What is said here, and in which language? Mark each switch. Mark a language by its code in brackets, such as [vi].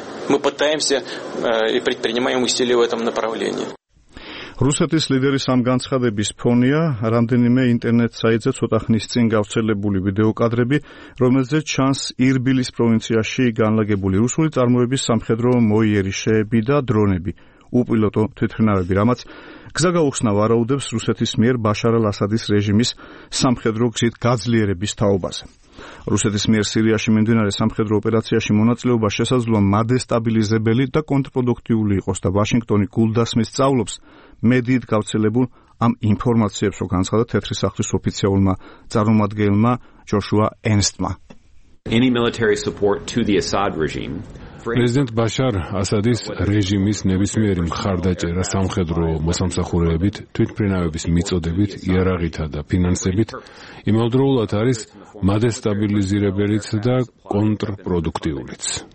[ru] Мы пытаемся и предпринимаем усилия в этом направлении. [ka] რუსეთის ლიდერის ამ განცხადების ფონია რამდენიმე ინტერნეტ საიტზე ცოტა ხნის წინ გავრცელებული ვიდეოკადრები, რომელზე ჩანს ირბილის პროვინციაში განლაგებული რუსული წარმოების სამხედრო მოიერიშეები და დრონები, უპილოტო თვითმფრინავები, რამაც გზა გაუხსნა ვარაუდებს რუსეთის მიერ ბაშარ ალ-ასადის რეჟიმის სამხედრო გზით გაძლიერების თაობაზე. რუსეთის მიერ სირიაში მიმდინარე სამხედრო ოპერაციაში მონაწილეობა შესაძლოა მადესტაბილიზებელი და კონტრპროდუქტიული იყოს და ვაშინგტონი გულდასმის სწავლობს მედიით გავრცელებულ ამ ინფორმაციებს, რო განცხადა თეთრი სახლის ოფიციალურმა წარმომადგენელმა ჯოშუა ენსტმა. [en] Any military support to the Assad regime? [ka] პრეზიდენტ ბაშარ ასადის რეჟიმის ნებისმიერი მხარდაჭერა სამხედრო მოსამსახურეებით, თვითმფრინავების მიწოდებით, იარაღითა და ფინანსებით იმავდროულად არის მადესტაბილიზირებელიც და კონტრპროდუქტიულიც.